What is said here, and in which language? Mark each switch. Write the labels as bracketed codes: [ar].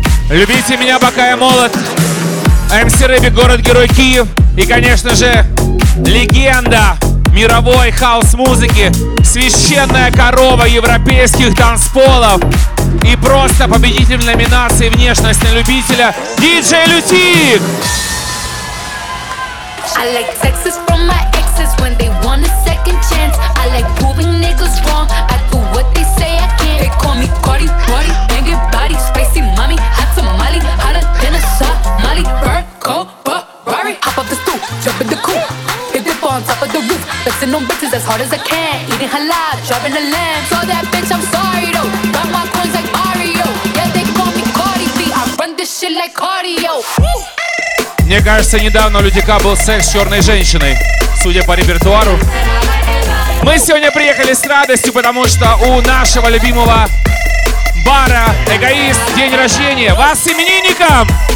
[ru] Любите меня, пока я молод. MC Рэби, город-герой Киев. И, конечно же, легенда мировой хаус-музыки. Священная корова европейских танцполов. И просто победитель номинации «Внешность на любителя» DJ Lutik. [en] I like sexes from my exes when they want a second chance. I like proving niggas wrong. I do what they say I can. They call me Cardi, Cardi, banging body, spicy mommy, hot tamale, hotter than a soft molly. Burko, Ferrari, hop off the stoop, jump in the coupe, hit the bar on top of the roof, flexing on bitches as hard as I can. Eating halal, driving a Lamb. Saw that bitch, I'm sorry though. Got my coins like Mario. Yeah, they call me Cardi B. I run this shit like cardio. [ru] Мне кажется, недавно у Lutik был секс с черной женщиной, судя по репертуару. Мы сегодня приехали с радостью, потому что у нашего любимого бара «Эгоист» день рождения. Вас именинником!